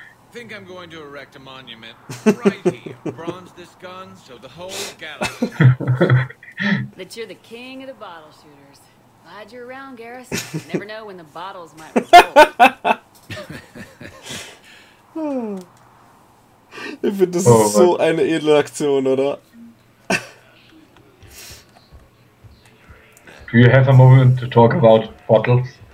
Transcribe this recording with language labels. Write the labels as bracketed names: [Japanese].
[English] Think I'm going to erect a monument right here. Bronze this gun so the whole galaxy knows. That you're the king of the bottle shooters. Glad you're around, Garrus. You never know when the bottles might explode. [German] Ich finde, das ist so eine edle Aktion, oder? [English] Do you have a moment to talk about bottles?